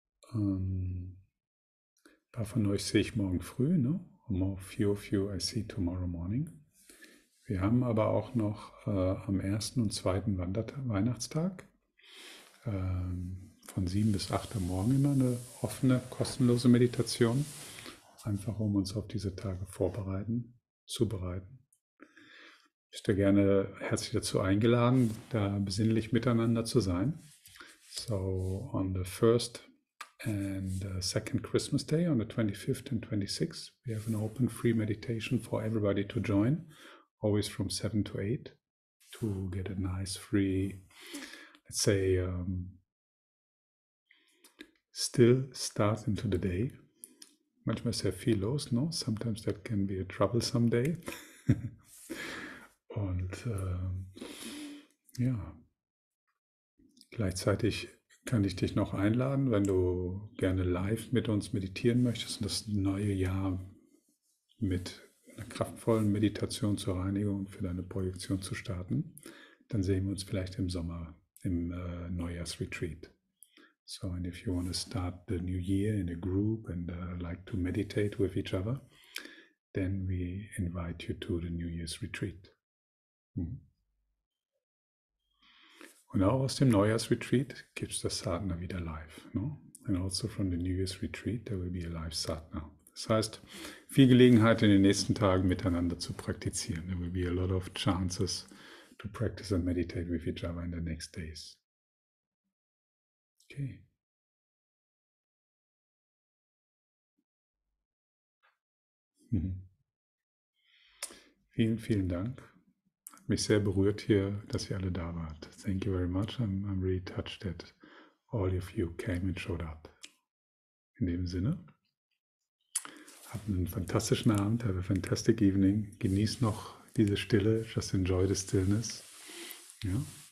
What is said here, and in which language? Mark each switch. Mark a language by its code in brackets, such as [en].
[de] Ein paar von euch sehe ich morgen früh, ne? [en] More few of you I see tomorrow morning. [de] Wir haben aber auch noch am ersten und zweiten Weihnachtstag von 7 bis 8 Uhr morgen immer eine offene, kostenlose Meditation. Einfach um uns auf diese Tage zubereiten. Bist du gerne herzlich dazu eingeladen, da besinnlich miteinander zu sein. [en] So, on the first and second Christmas Day, on the 25th and 26th, we have an open free meditation for everybody to join, always from 7 to 8, to get a nice free, let's say, still start into the day. [de] Manchmal sehr viel los, [en] no? Sometimes that can be a troublesome day. [de] Und ja, gleichzeitig Kann ich dich noch einladen, wenn du gerne live mit uns meditieren möchtest und das neue Jahr mit einer kraftvollen Meditation zur Reinigung für deine Projektion zu starten, dann sehen wir uns vielleicht im Sommer im Neujahrsretreat. [en] So, and if you want to start the new year in a group and like to meditate with each other, then we invite you to the New Year's Retreat. [de] Und auch aus dem Neujahrsretreat gibt es das Sadhana wieder live. No? [en] And also from the New Year's Retreat, there will be a live Sadhana. [de] Das heißt, viel Gelegenheit in den nächsten Tagen miteinander zu praktizieren. [en] There will be a lot of chances to practice and meditate with each other in the next days. Okay. [de] Vielen, vielen Dank. Hat mich sehr berührt hier, dass ihr alle da wart. [en] Thank you very much. I'm really touched that all of you came and showed up. [de] In dem Sinne, habt einen fantastischen Abend, [en] have a fantastic evening. [de] Genießt noch diese Stille, [en] just enjoy the stillness. [de] Ja.